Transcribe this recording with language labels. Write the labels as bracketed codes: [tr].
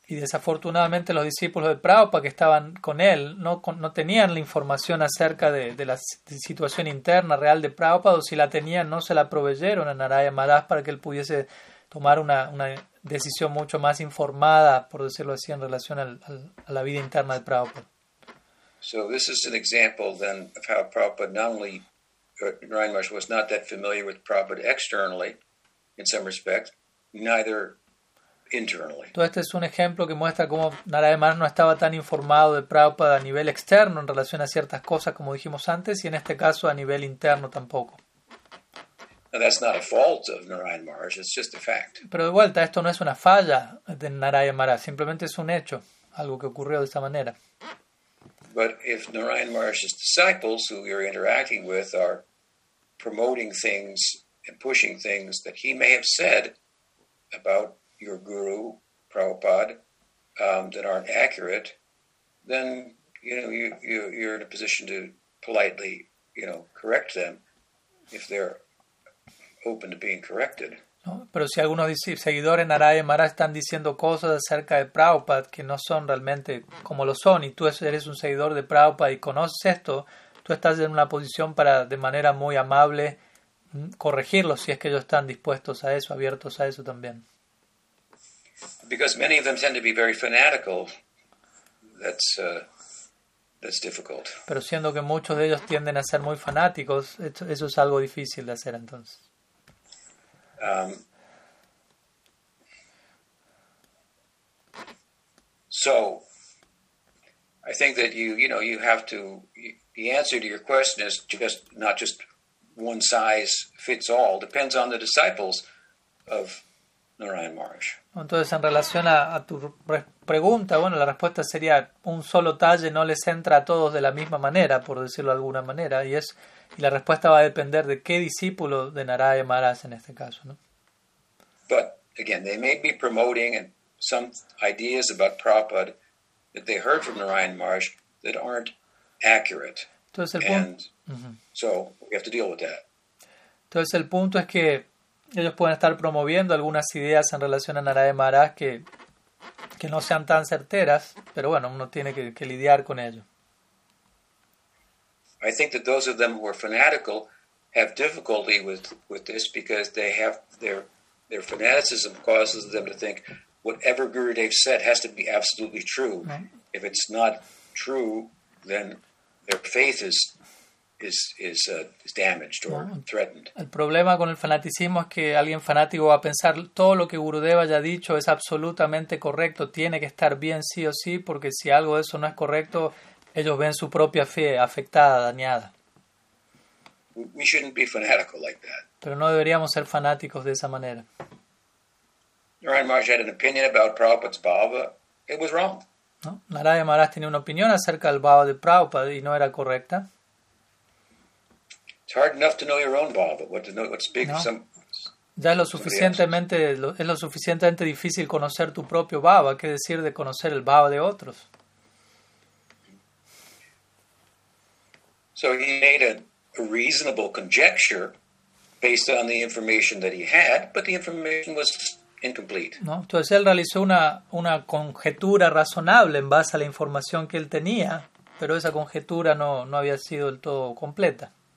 [es] Y desafortunadamente los discípulos de Prabhupada que estaban con él no tenían la información acerca de la situación interna real de Prabhupada, o si la tenían no se la proveyeron a Narayana Maharaj para que él pudiese tomar una decisión mucho más informada, por decirlo así, en relación a la vida interna de Prabhupada. [en] So this is an example then of how Prabhupada not only Narayana Maharaj was not that familiar with Prabhupada externally in some respects, neither internally. [es] Todo este es un ejemplo que muestra cómo Narayana Maharaj no estaba tan informado de Prabhupada a nivel externo en relación a ciertas cosas como dijimos antes y en este caso a nivel interno tampoco. [en] Now, that's not a fault of Narayana Maharaj, it's just a fact. [es] Pero de vuelta, esto no es una falla de Narayana Maharaj, simplemente es un hecho, algo que ocurrió de esa manera. [en] But if Narayana Maharaj's disciples who we are interacting with are promoting things and pushing things that he may have said about your guru, Prabhupada, that aren't accurate, then you're in a position to politely, correct them if they're open to being corrected. [es] No, pero si algunos seguidores de Narayana Maharaj están diciendo cosas acerca de Prabhupada que no son realmente como lo son, y tú eres un seguidor de Prabhupada y conoces esto, tú estás en una posición para, de manera muy amable, corregirlos si es que ellos están dispuestos a eso, abiertos a eso también. [en] Because many of them tend to be very fanatical, that's difficult. [es] Pero siendo que muchos de ellos tienden a ser muy fanáticos, eso es algo difícil de hacer entonces. [en] So, I think that you have to, the answer to your question is just not just one size fits all, depends on the disciples of Narayan Maharaj. [es] Entonces, en relación a tu pregunta, bueno, la respuesta sería un solo talle no les entra a todos de la misma manera, por decirlo de alguna manera, y la respuesta va a depender de qué discípulo de Narayan Maharaj en este caso, ¿no? [en] But again, they may be promoting some ideas about Prabhupada that they heard from Narayan Maharaj that aren't accurate. [es] Entonces el punto, [en] and so we have to deal with that. [es] Entonces el punto es que ellos pueden estar promoviendo algunas ideas en relación a Narayan Maharaj que no sean tan certeras, pero bueno, uno tiene que lidiar con ello. [en] I think that those of them who are fanatical have difficulty with this because they have their fanaticism causes them to think whatever Gurudev said has to be absolutely true. Right. If it's not true, then their faith is damaged or threatened. [es] El problema con el fanaticismo es que alguien fanático va a pensar todo lo que Gurudev haya dicho es absolutamente correcto, tiene que estar bien sí o sí, porque si algo de eso no es correcto, ellos ven su propia fe afectada, dañada. [en] We shouldn't be fanatical like that. [es] Pero no deberíamos ser fanáticos de esa manera. [en] Narayan Maharaj had an opinion about Prabhupada's bhava. It was wrong. [es] No, Narayan Maharaj tenía una opinión acerca del bhava de Prabhupada y no era correcta. [en] It's hard enough to know your own bhava, but to know what speaks of some. [es] Ya es lo suficientemente difícil conocer tu propio bhava, qué decir de conocer el bhava de otros. [en] So he made a reasonable conjecture based on the information that he had, but the information was incomplete. [es] No, entonces él realizó una conjetura razonable en base a la información que él tenía, pero esa conjetura no había sido del todo completa.